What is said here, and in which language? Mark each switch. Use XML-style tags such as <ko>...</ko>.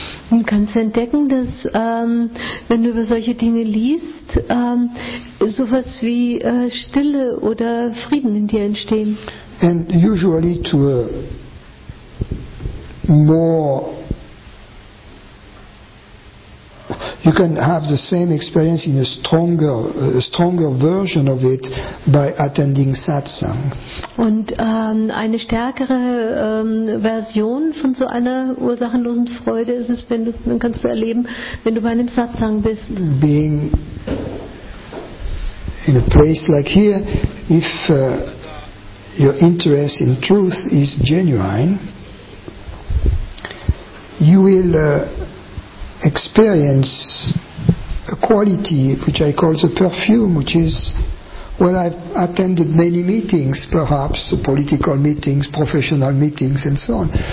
<de>Du kannst entdecken, dass wenn du über solche Dinge liest, sowas wie Stille oder Frieden in dir entstehen.</de> <en>And usually to a more, you can have the same experience in a stronger version of it by attending satsang.</en> <de>Und eine stärkere Version von so einer ursachenlosen Freude ist es, wenn du, dann kannst du erleben, wenn du bei einem Satsang bist.</de> <en>Being in a place like here, if your interest in truth is genuine, you will experience a quality which I call the perfume, which is, well, I've attended many meetings, perhaps political meetings, professional meetings, and so on.</en>